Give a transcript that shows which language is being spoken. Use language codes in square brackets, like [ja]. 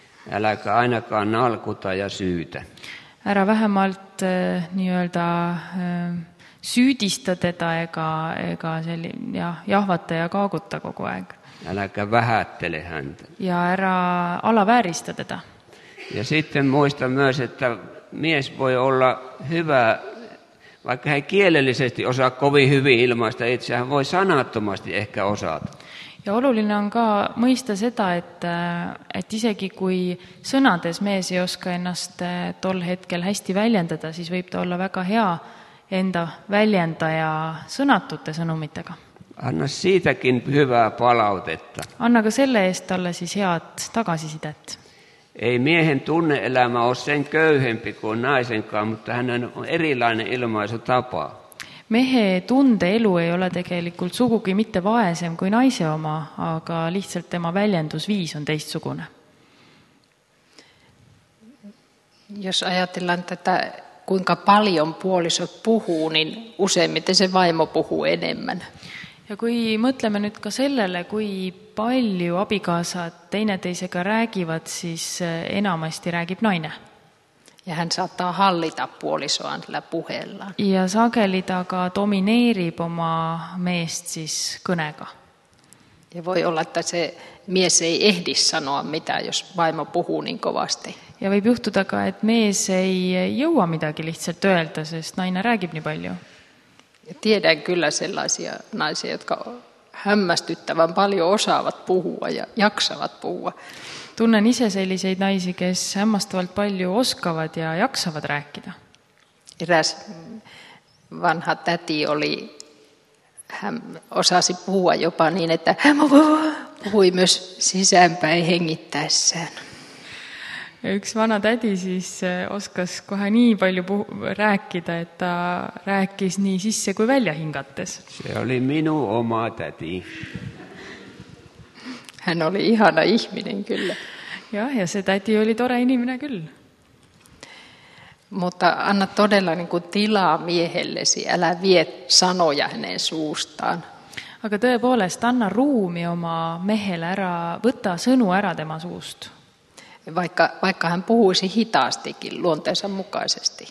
[fi] Äläkä ainakaan nalkuta ja syytä. [et] Ära vähemalt nii-öelda süüdista teda ega selli, jahvata ja kaaguta kogu aeg. [fi] Äläkä vähättele häntä. [et] Ja ära alavääristä teda. [fi] Ja sitten muista myös, että mies voi olla hyvä, vaikka hän kielellisesti osaa kovin hyvin ilmaista itseään, voi sanattomasti ehkä osata. [et] Ja oluline on ka mõista seda, et isegi kui sõnades mees ei oska ennast tol hetkel hästi väljendada, siis võib ta olla väga hea enda väljendaja sõnatute sõnumitega. [fi] Anna siitäkin hyvää palautetta. [et] Anna ka selle eest alle siis head tagasisidet. [fi] Ei miehen tunne-elämä ole sen köyhempi kuin naisenkaan, mutta hän on erilainen ilmaisutapa. [et] Mehe tunde-elu ei ole tegelikult sugugi mitte vaesem kuin naise oma, aga lihtsalt tema väljendusviis on teistsugune. [fi] Jos ajatellaan tätä, kuinka paljon puolisot puhuu, niin useimmiten se vaimo puhuu enemmän. [et] Ja kui mõtleme nüüd ka sellele, kui palju abikaasad teineteisega räägivad, siis enamasti räägib naine. [fi] Ja hän saattaa hallita puolisoaan tällä puheella. [et] Ja sageli ta ka domineerib oma meest siis kõnega. [fi] Ja voi olla, että se mies ei ehdi sanoa mitään, jos vaimo puhuu niin kovasti. [et] Ja võib juhtuda ka, et mees ei jõua midagi lihtsalt öelda, sest naine räägib nii palju. [fi] Tiedän kyllä sellaisia naisia, jotka hämmästyttävän paljon osaavat puhua ja jaksavat puhua. [et] Tunnen ise selliseid naisi, kes hämmastavalt palju oskavad ja jaksavad rääkida. [fi] Eräs vanha täti oli, hän osasi puhua jopa niin, että hän puhui myös sisäänpäin hengittäessään. [et] Üks vana tädi siis oskas kohe nii palju rääkida, et ta rääkis nii sisse kui välja hingates. See oli minu oma tädi. [fi] Hän oli ihana ihminen kyllä. [et] Jah, ja see tädi oli tore inimene küll. [fi] Mutta anna todella niinku tilaa miehellesi, älä vie sanoja hänen suustaan. [et] Aga tõepoolest, anna ruumi oma mehele ära, võta sõnu ära tema suust. [fi] Vaikka hän puhuisi hitaastikin luonteensa mukaisesti.